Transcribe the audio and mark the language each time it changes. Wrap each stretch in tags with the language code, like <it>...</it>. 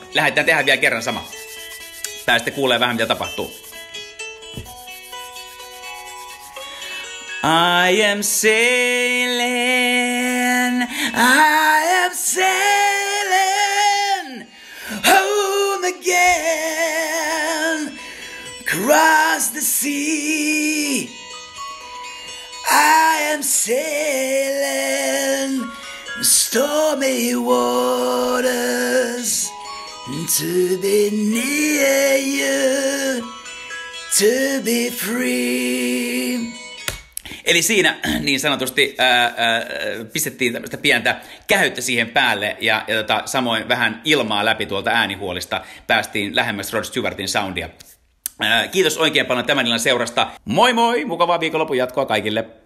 <fi>Lähdetään tehdä vielä kerran sama. Päästä kuulee vähän, mitä tapahtuu.</fi> <en>I am sailing, I am sailing home again, cross the sea. I am sailing stormy waters to be near you, to be free.</en> <fi>Eli siinä niin sanotusti pistettiin tämmöistä pientä kähyttä siihen päälle ja samoin vähän ilmaa läpi tuolta äänihuolista päästiin lähemmäs Rod Stewartin soundia. Kiitos oikein paljon tämän illan seurasta. Moi moi, mukavaa viikonlopun jatkoa kaikille.</fi>